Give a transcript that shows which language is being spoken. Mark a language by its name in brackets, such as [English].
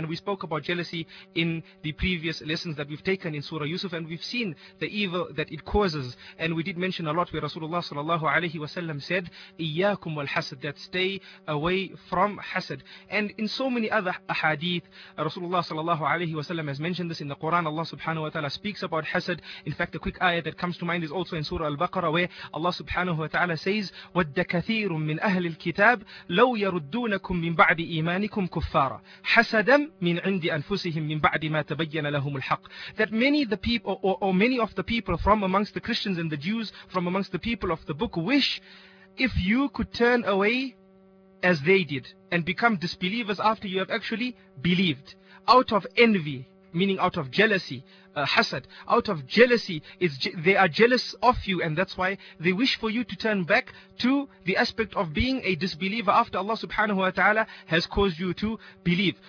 [English] And we spoke about jealousy in the previous lessons that we've taken in Surah Yusuf, and we've seen the evil that it causes. And we did mention a lot where Rasulullah sallallahu alayhi wa sallam said, [Arabic] إِيَّاكُمْ وَالْحَسَدْ, [English] that stay away from hasad. And in so many other ahadith, Rasulullah sallallahu alayhi wa sallam has mentioned this in the Quran. Allah subhanahu wa ta'ala speaks about hasad. In fact, a quick ayah that comes to mind is also in Surah Al-Baqarah, where Allah subhanahu wa ta'ala says, [Arabic] وَدَّ كَثِيرٌ مِّنْ أَهْلِ الْكِتَابِ لَوْ يَرُدُّونَكُمْ مِّنْ بَعْدِ إِيمَانِكُمْ كُفَّارًا حَسَدًا مِّنْ عِنْدِ أَنفُسِهِمْ مِّنْ بَعْدِ مَا تَبَيَّنَ لَهُمُ الْحَقِّ. [English] That many the people, or many of the people from amongst the Christians and the Jews, from amongst the people of the book, wish if you could turn away as they did and become disbelievers after you have actually believed, out of envy, meaning out of jealousy, hasad, out of jealousy, they are jealous of you, and that's why they wish for you to turn back to the aspect of being a disbeliever after Allah subhanahu wa ta'ala has caused you to believe.